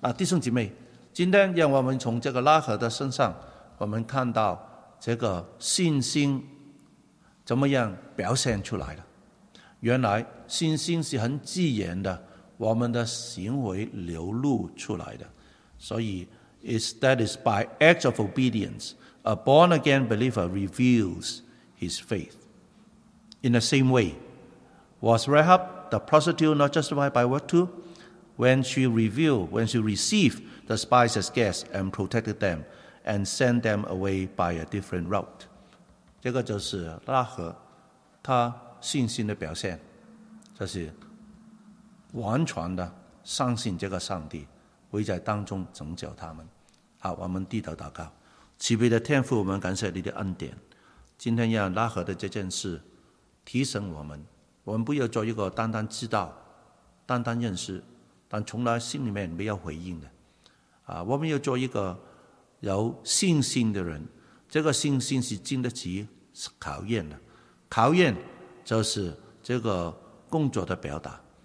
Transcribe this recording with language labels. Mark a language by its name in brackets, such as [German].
[Chinese] 啊，弟兄姐妹，今天让我们从这个拉合的身上，我们看到这个信心怎么样表现出来的。原来信心是很自然的，我们的行为流露出来的。 [English] 所以 that is by act of obedience, a born again believer reveals his faith. In the same way, was Rahab the prostitute not justified by what too? When she received the spies as guests and protected them and sent them away by a different route. [Chinese] 这个就是拉合他信心的表现，就是完全的相信这个上帝会在当中拯救他们。好，我们低头祷告。慈悲的天父，我们感谢你的恩典，今天让拉合的这件事提醒我们，我们不要做一个单单知道单单认识但从来心里面没有回应的，我们要做一个有信心的人，这个信心是经得起考验的，考验就是这个工作的表达，